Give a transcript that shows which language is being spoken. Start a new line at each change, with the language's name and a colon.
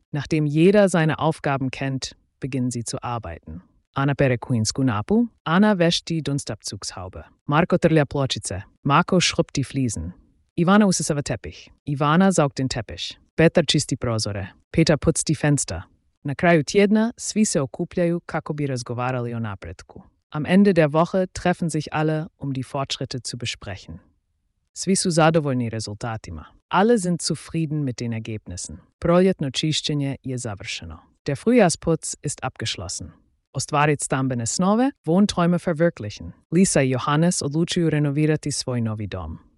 German: Nachdem jeder seine Aufgaben kennt, beginnen sie zu arbeiten.
Croatian: Ana pere kuhinsku napu.
German: Ana wäscht die Dunstabzugshaube.
Croatian: Marko trlja pločice.
German: Marko schrubbt die Fliesen.
Croatian: Ivana usisava teppich.
German: Ivana saugt den Teppich.
Croatian: Petar čisti prozore.
German: Peter putzt die Fenster.
Croatian: Na kraju tjedna svi se okupljaju kako bi razgovarali o napretku.
German: Am Ende der Woche treffen sich alle, um die Fortschritte zu besprechen.
Croatian: Svi su zadovoljni rezultatima.
German: Alle sind zufrieden mit den Ergebnissen.
Croatian: Proljetno čišćenje je završeno.
German: Der Frühjahrsputz ist abgeschlossen.
Croatian: Ostvarit stambene snove,
German: Wohnträume verwirklichen.
Croatian: Lisa i Johannes odlučuju renovirati svoj novi dom.